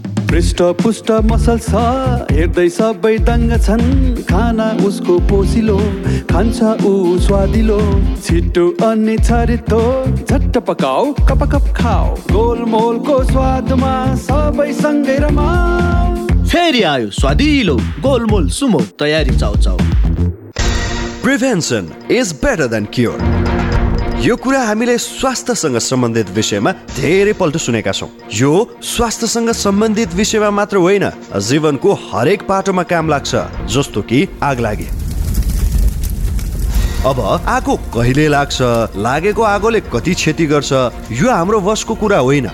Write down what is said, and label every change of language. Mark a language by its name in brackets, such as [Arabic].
[Nepali] पृष्ठ पुष्ट मसल छ हेर्दै सबै दङ्ग छन्. खाना उसको पोसिलो खान्छ ऊ स्वादिलो. छिट्टो अनि छरितो झट्ट पकाऊ कप कप खाऊ. गोलमोलको स्वादमा सबै सँगै रमाऊ. फेरि आयो स्वादिलो गोलमोल सुमो तयारी चाउ चाउ. [English] Prevention is better than cure. [Nepali] यो कुरा हामीले स्वास्थ्यसँग सम्बन्धित विषयमा धेरै पल्ट सुनेका छौँ. यो स्वास्थ्यसँग सम्बन्धित विषयमा मात्र होइन जीवनको हरेक पाटोमा काम लाग्छ. जस्तो कि आग लागे. अब आगो कहिले लाग्छ, लागेको आगोले कति क्षति गर्छ, यो हाम्रो वशको कुरा होइन.